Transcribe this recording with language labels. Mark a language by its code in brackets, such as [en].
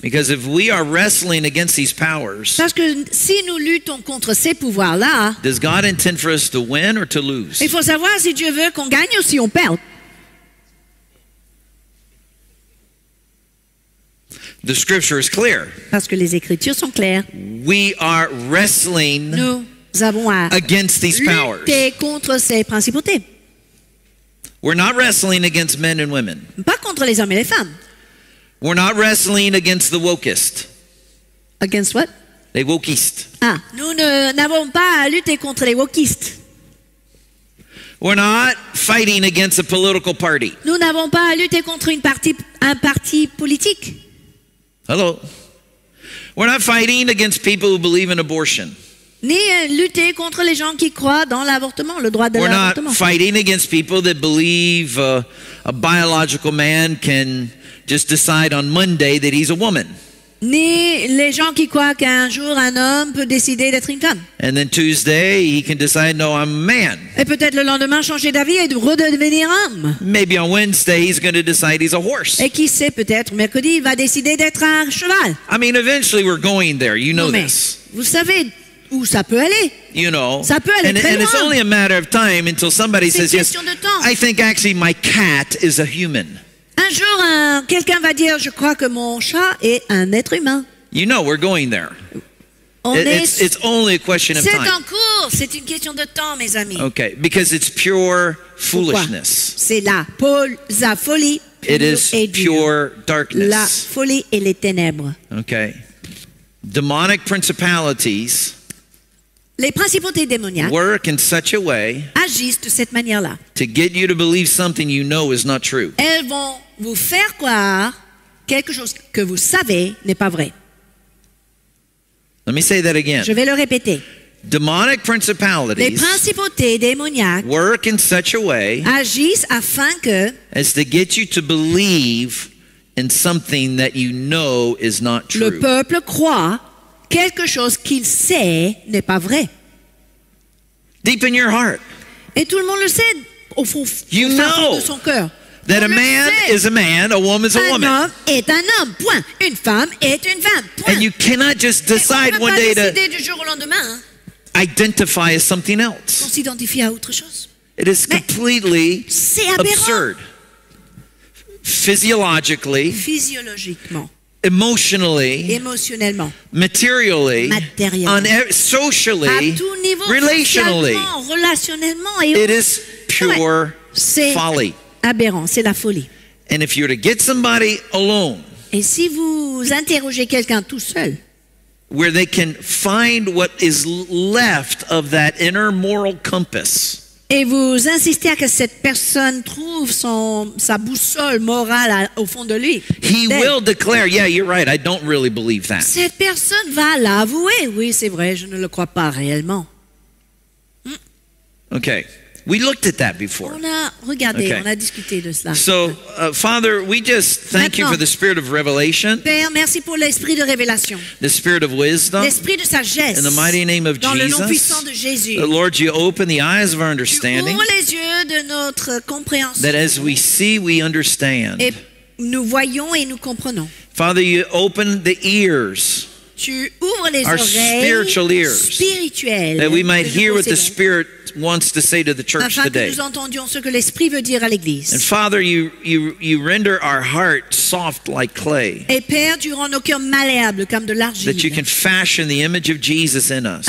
[en] Because if we are wrestling against these powers. [fr] Parce que si nous luttons contre ces pouvoirs-là. [en] Does God intend for us to win or to lose? [fr] Il faut savoir si Dieu veut qu'on gagne ou si on perd. [en] The scripture is clear. [fr] Parce que les écritures sont claires. [en] We are wrestling. [fr] Nous avons à [en] against these powers. [fr] Lutter contre ces principautés. [en] We're not wrestling against men and women. [fr] Pas contre les hommes et les femmes. [en] We're not wrestling against the wokest. Against what? [fr] Les wokistes. Ah, nous n'avons pas à lutter contre les wokistes. [en] We're not fighting against a political party. [fr] Nous n'avons pas à lutter contre un parti politique. [en] Hello. We're not fighting against people who believe in abortion. [fr] Ni lutter contre les gens qui croient dans l'avortement, le droit de [en] we're We're not fighting against people that believe a biological man can just decide on Monday that he's a woman. [fr] Ni les gens qui croient qu'un jour un homme peut décider d'être une femme. [en] And then Tuesday he can decide, no, I'm a man. [fr] Et peut-être le lendemain changer d'avis et de redevenir homme. [en] Maybe on Wednesday he's going to decide he's a horse. [fr] Et qui sait, peut-être mercredi il va décider d'être un cheval. [en] I mean, eventually we're going there, you know this. [fr] Vous savez où ça peut aller. [en] You know. [fr] Ça peut aller très loin. [en] And it's only a matter of time until somebody says, yes, [fr] de temps. [en] I think actually my cat is a human. [fr] Un jour, quelqu'un va dire, je crois que mon chat est un être humain. [en] You know, we're going there. It's only a question of [fr] c'est [en] time. [fr] C'est en cours. C'est une question de temps, mes amis. [en] Okay, because it's pure foolishness. [fr] Pourquoi? C'est la folie. [en] It is pure darkness. [fr] La folie et les ténèbres. [en] Okay. Demonic principalities. [fr] Les principautés démoniaques [en] work in such a way [fr] agissent de cette manière-là. [en] To get you to believe something you know is not true. [fr] Elles vont vous faire croire quelque chose que vous savez n'est pas vrai. [en] Let me say that again. [fr] Je vais le répéter. [en] Demonic principalities [fr] les principautés démoniaques [en] work in such a way [fr] agissent afin que [en] as to get you to believe in something that you know is not true. [fr] Le peuple croit quelque chose qu'il sait n'est pas vrai. [en] Deep in your heart. [fr] Et tout le monde le sait au fond [en] you know [fr] de son cœur. [en] That a man is a man, a woman is a woman. [fr] Un homme est un homme. Point. Une femme est une femme. Point. [en] And you cannot just decide one day to. [fr] Du jour au lendemain. [en] identify as something else. [fr] On s'identifie à autre chose. [en] It is completely absurd. Physiologically. [fr] Physiologiquement. [en] Emotionally. [fr] Émotionnellement. [en] Materially. [fr] Matériellement. [en] Socially. [fr] À tout niveau. [en] Relationally. [fr] Relationnellement. [en] It is pure folly. [fr] Aberrant, c'est la folie. [en] And if you were to get somebody alone. [fr] Et si vous interrogez quelqu'un tout seul. [en] Where they can find what is left of that inner moral compass. [fr] Et vous insistez à que cette personne trouve son, sa boussole morale à, au fond de lui. [en] He will declare, yeah, you're right, I don't really believe that. [fr] Cette personne va l'avouer, oui, c'est vrai, je ne le crois pas réellement. [en] Okay, we looked at that before. [fr] On a regardé, okay. On a discuté de cela. [en] So, Father, we just thank you for the spirit of revelation. [fr] Père, merci pour l'esprit de révélation. [en] The spirit of wisdom. [fr] L'esprit de sagesse. [en] In the mighty name of [fr] dans [en] Jesus. [fr] Dans le nom puissant de Jésus. [en] Lord, you open the eyes of our understanding. [fr] Tu ouvres les yeux de notre compréhension. [en] That as we see, we understand. [fr] Et nous voyons et nous comprenons. [en] Father, you open the ears. [fr] Tu ouvres les [en] our [fr] oreilles spirituelles. [en] That we might hear what the Spirit wants to say to the church [fr] afin [en] today. [fr] Que nous entendions ce que l'Esprit veut dire à l'Église. [en] And Father, you render our heart soft like clay. [fr] Et Père, tu rends nos cœurs malléables comme de l'argile. [en] That you can fashion the image of Jesus in us.